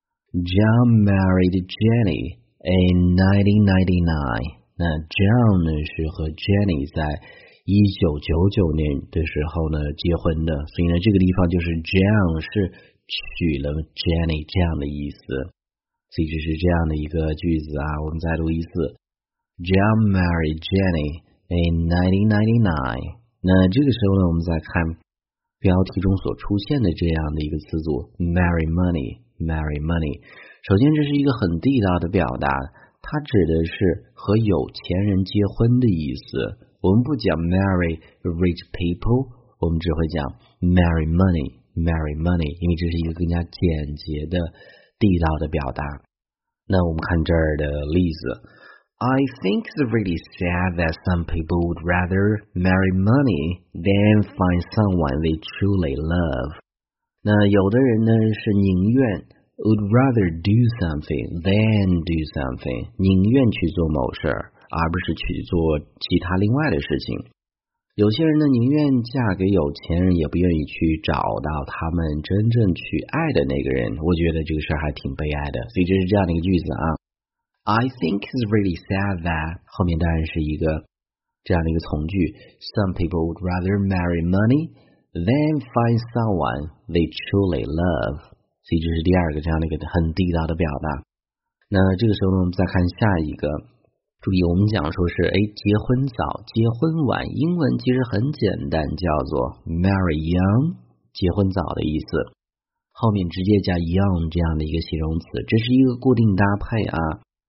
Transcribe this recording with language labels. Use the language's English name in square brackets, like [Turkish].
[English] John married Jenny in 1999。 [Chinese] 那 John 呢是和 Jenny 在1999年的时候呢结婚的，所以呢这个地方就是 John 是娶了 Jenny 这样的意思，所以这是这样的一个句子啊。我们再读一次， [English] John married Jenny in 1999。 [Chinese] 那这个时候呢，我们再看标题中所出现的这样的一个词组 marry money。 Marry money， 首先这是一个很地道的表达，它指的是和有钱人结婚的意思。我们不讲 [English] marry rich people， [Chinese] 我们只会讲 marry money， marry money， 因为这是一个更加简洁的地道的表达。那我们看这儿的例子， [English] I think it's really sad that some people would rather marry money than find someone they truly love。 [Chinese] 那有的人呢是宁愿 [English] would rather do something [Chinese] than do something， 宁愿去做某事而不是去做其他另外的事情。有些人呢宁愿嫁给有钱人，也不愿意去找到他们真正去爱的那个人。我觉得这个事还挺悲哀的，所以这是这样的一个句子啊。 [English] I think it's really sad that [Chinese] 后面当然是一个这样的一个从句， [English] Some people would rather marry moneythen find someone they truly love， [Chinese] 所以这是第二个这样的一个很地道的表达。那这个时候呢，我们再看下一个，注意我们讲说是结婚早结婚晚，英文其实很简单，叫做 marry young， 结婚早的意思，后面直接加 young 这样的一个形容词，这是一个固定搭配啊。